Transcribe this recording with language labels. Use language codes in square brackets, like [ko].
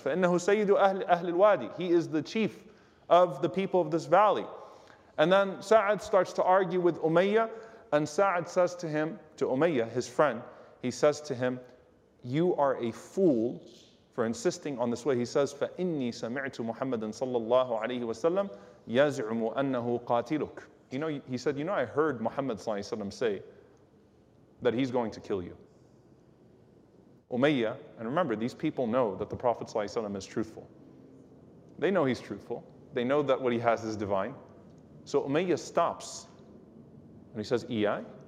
[ar] فَإِنَّهُ سَيِّدُ أَهْلِ الْوَادِ. [en] He is the chief of the people of this valley. And then Sa'ad starts to argue with Umayyah, and Sa'ad says to him, to Umayyah, his friend, he says to him, you are a fool for insisting on this way. He says, [ar] فَإِنِّي سَمِعْتُ مُحَمَّدًا صَلَّى اللَّهُ عَلَيْهِ وَسَلَّمْ يَزْعُمُ أَنَّهُ قَاتِلُكُ. [en] You know, he said, you know, I heard Muhammad [ar] صلى الله عليه وسلم [en] say that he's going to kill you. Umayyah, and remember, these people know that the Prophet [ar] صلى الله عليه وسلم [en] is truthful. They know he's truthful. They know that what he has is divine. So Umayyah stops, and he says, Iyai?